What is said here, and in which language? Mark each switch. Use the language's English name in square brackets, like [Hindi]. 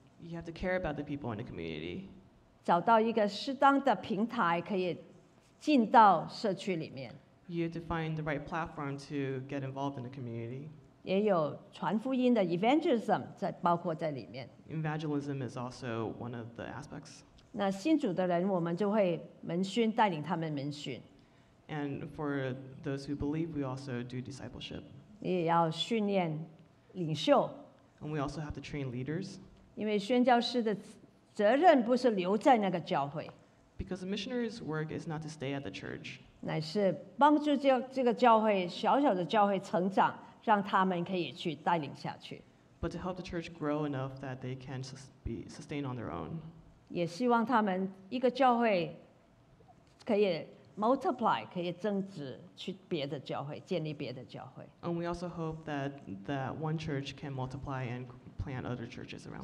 [English] You have to care about the people in the community. [Chinese] 找到一个适当的平台可以进到社区里面。 [English] You have to find the right platform to get involved in the community. [Chinese] 也有传福音的evangelism 在包括在里面。 [English] Evangelism is also one of the aspects. [Chinese] 那信主的人我们就会门训带领他们门训。 [English] And for those who believe, we also do discipleship. [Chinese] 也要训练领袖。 [English] And we also have to train leaders. [Chinese] 因为宣教士的责任不是留在那个教会。 [English] Because a missionary's work is not to stay at the church. [Chinese] 乃是帮助这个教会，小小的教会成长。让他们可以去带领下去。 [English] But to help the church grow enough that they can be sustained on their own. [Chinese] 也希望他们一个教会可以 multiply, 可以增值去别的教会，建立别的教会。 [English] And we also hope that one church can multiply and plant other churches around.